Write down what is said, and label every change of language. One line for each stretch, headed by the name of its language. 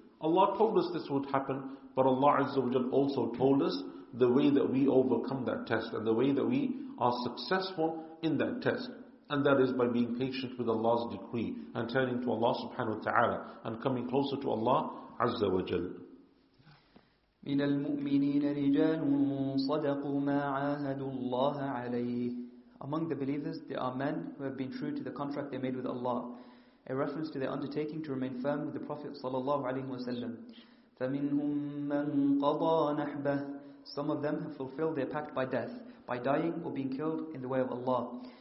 English: Allah told us this would happen, but Allah Azza wa Jalla also told us the way that we overcome that test and the way that we are successful in that test. And that is by being patient with Allah's decree and turning to Allah subhanahu wa ta'ala and coming closer to Allah azza wa jal."
Arabic: من المؤمنين رجال صدقوا ما عاهدوا الله عليه.
English: Among the believers, there are men who have been true to the contract they made with Allah, a reference to their undertaking to remain firm with the Prophet sallallahu alaihi wasallam.
Arabic: فمنهم من قضى نحبه.
English: Some of them have fulfilled their pact by death, by dying or being killed in the way of Allah.